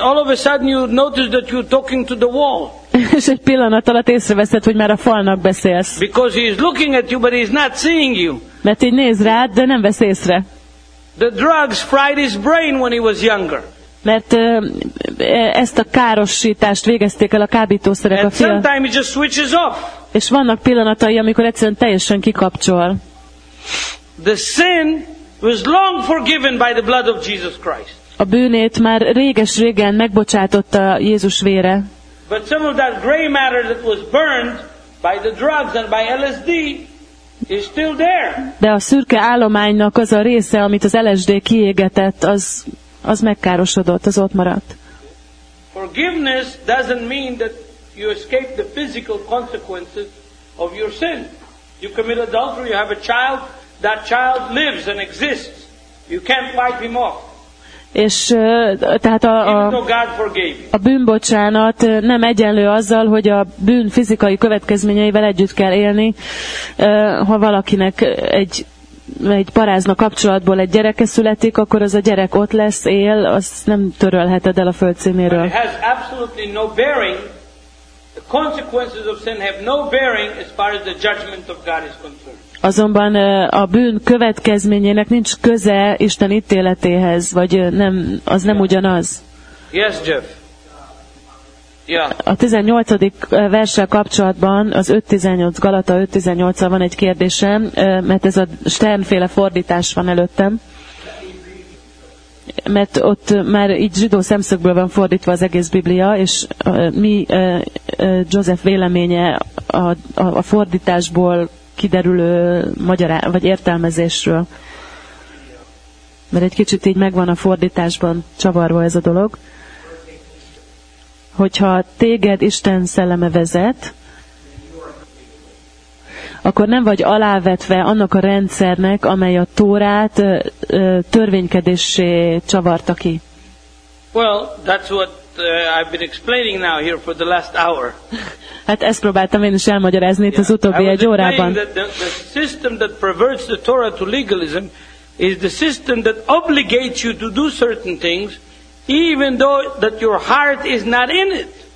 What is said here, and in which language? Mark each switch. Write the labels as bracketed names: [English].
[English] And all of a sudden you notice that you're talking to the wall. [Hungarian] És egy pillanat alatt észreveszed, hogy már a falnak beszélsz. [English] Because he is looking at you, but he's not seeing you. [Hungarian] Mert így néz rád, de nem vesz észre. [English] The drugs fried his brain when he was younger. [Hungarian] Mert ezt a károsítást végezték el a kábítószerek a fiatal. [English] Sometimes he just switches off. [Hungarian] És vannak pillanatai, amikor egyszerűen teljesen kikapcsol. [English] The sin was long forgiven by the blood of Jesus Christ. [Hungarian] A bűnét már réges-régen megbocsátotta Jézus vére. [English] But some of that gray matter that was burned by the drugs and by LSD. Is still there. [Hungarian] De a szürke állománynak az a része, amit az LSD kiégetett, az megkárosodott, az ott maradt. [English] Forgiveness doesn't mean that you escape the physical consequences of your sin. You commit adultery, you have a child, that child lives and exists. You can't wipe him off. [Hungarian] És tehát a bűnbocsánat nem egyenlő azzal, hogy a bűn fizikai következményeivel együtt kell élni. Ha valakinek egy parázna kapcsolatból egy gyereke születik, akkor az a gyerek ott lesz, él, azt nem törölheted el a föld színéről. [English] But it has absolutely no bearing. The consequences of sin have no bearing as far as the judgment of God is concerned. [Hungarian] Azonban a bűn következményének nincs köze Isten ítéletéhez, vagy nem, az nem ugyanaz. [English] Yes, Jeff. Yeah. [Hungarian] A 18. verssel kapcsolatban, az 5.18, Galata 5.18-al van egy kérdésem, mert ez a Sternféle fordítás van előttem. Mert ott már így zsidó szemszögből van fordítva az egész Biblia, és mi Joseph véleménye a fordításból kiderülő vagy értelmezésről. Mert egy kicsit így megvan a fordításban csavarva ez a dolog. Hogyha téged Isten szelleme vezet, akkor nem vagy alávetve annak a rendszernek, amely a Tórát törvénykedéssé csavarta ki. [English] Well, that's what I've been explaining now here for the last hour. [Hungarian] Hát ezt próbáltam én is elmagyarázni itt az utóbbi egy órában. [English] The system that perverts the Torah to legalism is the system that obligates you to do certain things even though that your heart is not in it.